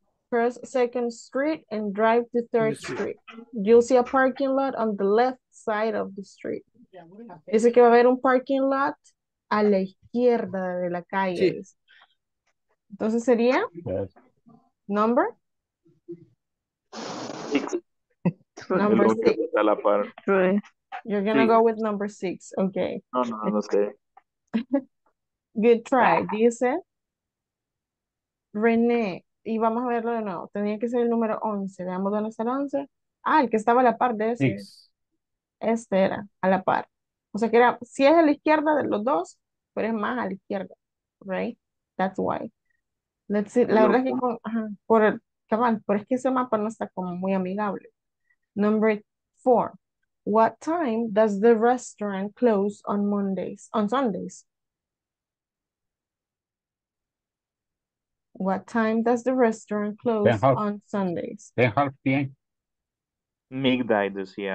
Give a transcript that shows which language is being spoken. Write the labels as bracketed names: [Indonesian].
[English] Cross Second Street and drive to Third Street. You'll see a parking lot on the left side of the street. [Spanish] Dice que va a haber un parking lot a la izquierda de la calle. Sí. Entonces sería number [English] six. Number six. You're gonna go with number six, okay? No, okay. Good try. [Spanish] Dice René. Y vamos a verlo de nuevo. Tenía que ser el número 11. Veamos dónde está el 11. Ah, el que estaba a la par de ese. Este era, a la par. O sea que era, si es a la izquierda de los dos, pero es más a la izquierda. [English] Right? That's why. [Spanish] Let's see. La verdad es que con, por el, cabal, pero es que ese mapa no está como muy amigable. [English] Number 4. What time does the restaurant close on Mondays, on Sundays? What time does the restaurant close on Sundays? 10:30 p.m. Midnight, [Spanish] decía.